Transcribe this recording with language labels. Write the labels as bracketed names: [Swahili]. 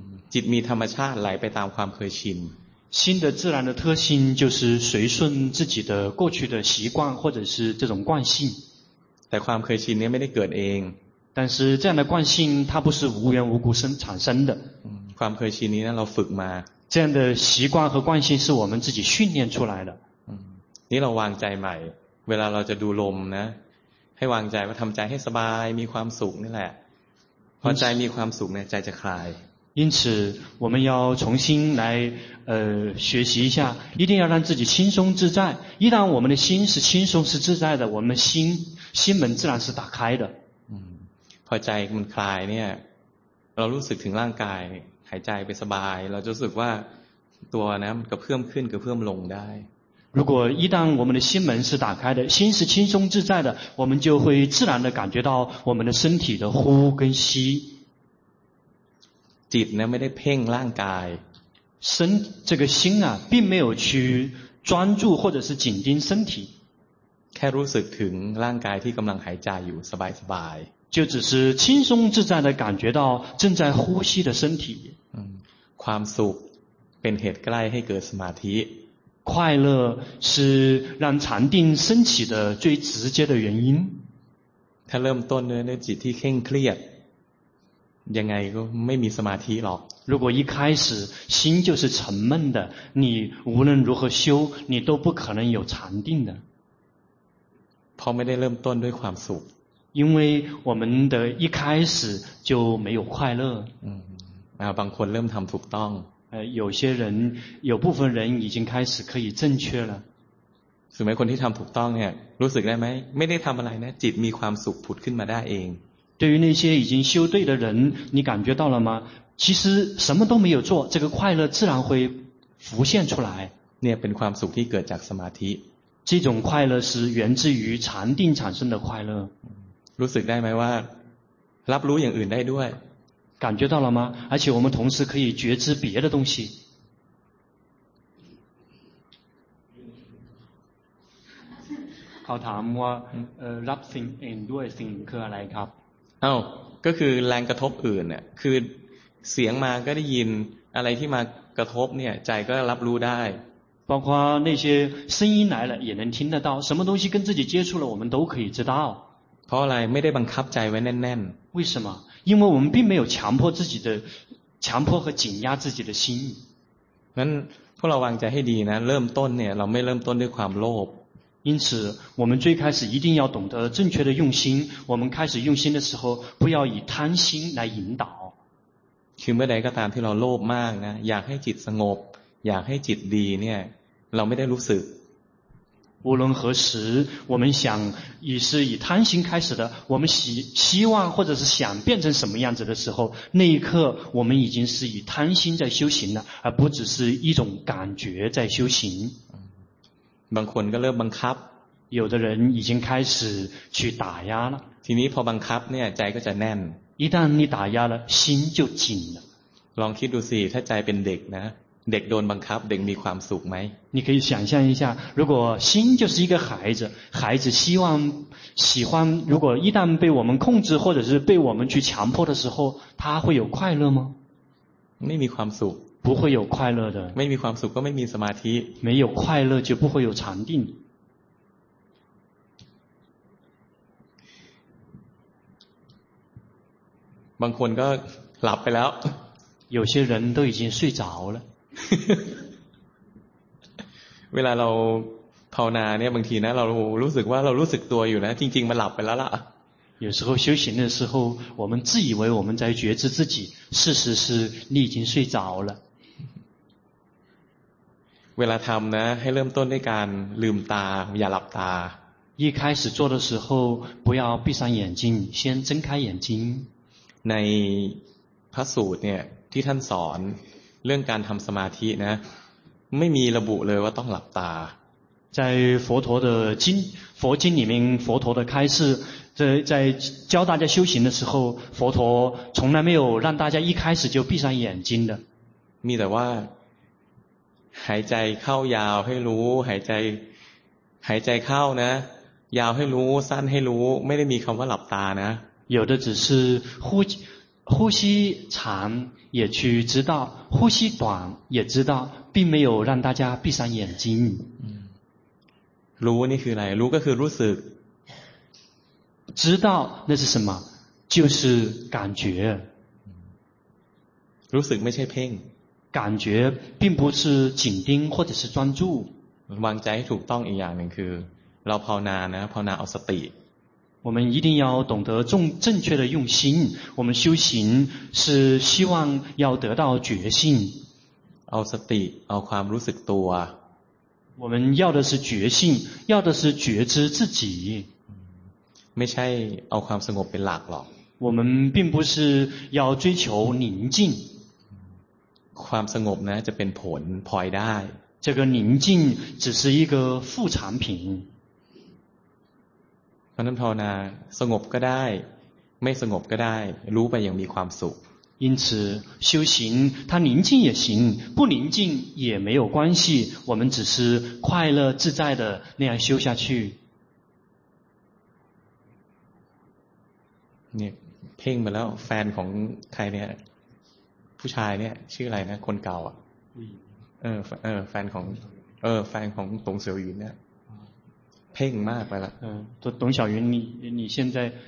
[Thai] จิตมีธรรมชาติไหลไปตามความเคยชิน [Chinese] 心的自然的特性就是随顺自己的过去的习惯或者是这种惯性 [Thai] แต่ความเคยชินเนี่ยไม่ได้เกิดเอง [Chinese] 但是这样的惯性它不是无缘无故生产生的 [Thai] ความเคยชินนี้เราฝึกมา [Chinese] 这样的习惯和惯性是我们自己训练出来的 [Thai] นี่เราวางใจใหม่เวลาเราจะดูลมนะให้วางใจว่าทำใจให้สบายมีความสุขนี่แหละ พอใจมีความสุขเนี่ยใจจะคลาย [Chinese] 因此我们要重新来学习一下一定要让自己轻松自在一旦我们的心是轻松是自在的我们心门自然是打开的 [Thai] พอใจมันคลายเนี่ยเรารู้สึกถึงร่างกายหายใจไปสบายเราจะรู้สึกว่าตัวนะกระเพื่อมขึ้นกระเพื่อมลงได้ [Chinese] 如果一旦我们的心门是打开的心是轻松自在的我们就会自然地感觉到我们的身体的呼跟吸 [Thai] จิตเนี่ยไม่ได้เพ่งร่างกาย [Chinese] 身这个心啊并没有去专注或者是紧盯身体 [Thai] แค่รู้สึกถึงร่างกายที่กำลังหายใจอยู่สบายสบาย [Chinese] 就只是轻松自在地感觉到正在呼吸的身体 [Thai] ความสุขเป็นเหตุใกล้ให้เกิดสมาธิ [Chinese] 快乐是让禅定升起的最直接的原因 [Thai] ถ้าเริ่มต้นในจิตที่เคร่งเครียดยังไงก็ไม่มีสมาธิหรอก [Chinese] 如果一开始心就是沉闷的你无论如何修你都不可能有禅定的 [Thai] เพราะไม่ได้เริ่มต้นด้วยความสุข [Chinese] 因为我们的一开始就没有快乐 [Thai] บางคนเริ่มทำถูกต้อง [Chinese] 有些人有部分人已经开始可以正确了 [Thai] สมัยคนที่ทำถูกต้องเนี่ยรู้สึกได้ไหมไม่ได้ทำอะไรนะจิตมีความสุขผุดขึ้นมาได้เอง [Chinese] 对于那些已经修对的人你感觉到了吗其实什么都没有做这个快乐自然会浮现出来 [Thai] เนี่ยเป็นความสุขที่เกิดจากสมาธิ [Chinese] 这种快乐是源自于禅定产生的快乐 [Thai] รู้สึกได้ไหมว่ารับรู้อย่างอื่นได้ด้วย [Chinese] 感觉到了吗而且我们同时可以觉知别的东西 [Thai] เขาถามว่ารับสิ่งอื่นด้วยสิ่งคืออะไรครับ เอ้าก็คือแรงกระทบอื่นเนี่ยคือเสียงมาก็ได้ยินอะไรที่มากระทบเนี่ยใจก็รับรู้ได้ [Chinese] 包括那些声音来了也能听得到什么东西跟自己接触了我们都可以知道 [Thai] เพราะอะไรไม่ได้บังคับใจไว้แน่น [Chinese] ๆ为什么因为我们并没有强迫自己的强迫和紧压自己的心 [Thai] นั้นพวกเราวางใจให้ดีนะเริ่มต้นเนี่ยเราไม่เริ่มต้นด้วยความโลภ [Chinese] 因此我们最开始一定要懂得正确的用心我们开始用心的时候不要以贪心来引导 [Thai] คือเมื่อใดก็ตามที่เราโลภมากนะอยากให้จิตสงบอยากให้จิตดีเนี่ยเราไม่ได้รู้สึก [Chinese] 无论何时我们想也是以贪心开始的我们希望或者是想变成什么样子的时候那一刻我们已经是以贪心在修行了而不只是一种感觉在修行 [Thai] บางคนก็เริ่มบังคับ [Chinese] 有的人已经开始去打压了 [Thai] ทีนี้พอบังคับเนี่ยใจก็จะแน่น [Chinese] 一旦你打压了心就紧了 [Thai] ลองคิดดูสิถ้าใจเป็นเด็กนะเด็กโดนบังคับเด็กมีความสุขไหม [Chinese] 你可以想象一下如果心就是一个孩子孩子希望喜欢如果一旦被我们控制或者是被我们去强迫的时候他会有快乐吗 [Thai] ไม่มีความสุข [Chinese] 不会有快乐的 [Thai] ไม่มีความสุขก็ไม่มีสมาธิ [Chinese] 没有快乐就不会有禅定 [Thai] บางคนก็หลับไปแล้ว [Chinese] 有些人都已经睡着了 [Thai] เวลาเราภาวนาเนี่ยบางทีนะเรารู้สึกว่าเรารู้สึกตัวอยู่นะจริงๆมันหลับไปแล้วล่ะ [Chinese] 有时候修行的时候我们自以为我们在觉知自己事实是你已经睡着了 [Thai] เวลาทำนะให้เริ่มต้นด้วยการลืมตาอย่าหลับตา [Chinese] 一开始做的时候不要闭上眼睛先睁开眼睛 [Thai] ในพระสูตรเนี่ยที่ท่านสอนเรื่องการทำสมาธินะไม่มีระบุเลยว่าต้องหลับตา [Chinese] 在佛陀的经佛经里面佛陀的开示在教大家修行的时候佛陀从来没有让大家一开始就闭上眼睛的 [Thai] มีแต่ว่าหายใจเข้ายาวให้รู้หายใจเข้านะยาวให้รู้สั้นให้รู้ไม่ได้มีคำว่าหลับตานะ [Chinese] 有的只是呼吸长也去知道呼吸短也知道并没有让大家闭上眼睛 [Thai] รู้นี่คืออะไรรู้ก็คือรู้สึก [Chinese] 知道那是什么就是感觉 [Thai] รู้สึกไม่ใช่เพ่ง [Chinese] 感觉并不是紧盯或者是专注 [Thai] วางใจให้ถูกต้องอีกอย่างหนึ่งคือเราภาวนานะภาวนาเอาสติ [Chinese] 我们一定要懂得正确的用心，我们修行是希望要得到觉性。 [Thai] เอาสติเอาความรู้สึกตัว [Chinese] 我们要的是觉性，要的是觉知自己。 [Thai] ไม่ใช่เอาความสงบเป็นหลักหรอก [Chinese] 我们并不是要追求宁静。 [Thai] ความสงบนะจะเป็นผลพลอยได้ [Chinese] 这个宁静只是一个副产品 [Thai] เพราะนั้นภาวนาสงบก็ได้ไม่สงบก็ได้รู้ไปยังมีความสุข [Chinese] 因此修行它宁静也行不宁静也没有关系我们只是快乐自在的那样修下去 [Thai] เนี่ยเพ่งไปแล้วแฟนของใครเนี่ยผู้ชายเนี่ยชื่ออะไรนะคนเก่าอ่ะเออแฟนของแฟนของตงเสี่ยวหยุนเนี่ยเพ่งมากไปละ ตัวตงเสี่ยวหยุน [Chinese] 你现在